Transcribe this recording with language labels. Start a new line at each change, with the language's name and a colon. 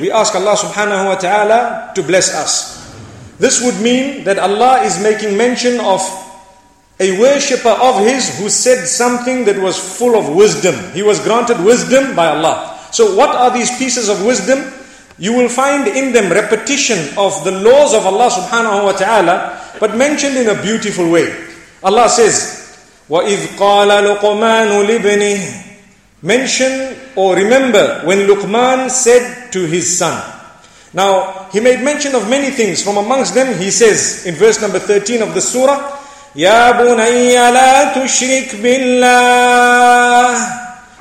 English: We ask Allah subhanahu wa ta'ala to bless us. This would mean that Allah is making mention of a worshipper of his who said something that was full of wisdom. He was granted wisdom by Allah. So what are these pieces of wisdom? You will find in them repetition of the laws of Allah subhanahu wa ta'ala, but mentioned in a beautiful way. Allah says,
Arabic: وَإِذْ قَالَ لُقْمَانُ لِبْنِهِ.
English: Mention or remember when Luqman said to his son. Now, he made mention of many things. From amongst them, he says in verse number 13 of the surah,
Arabic: Ya bunayya la tushrik billah.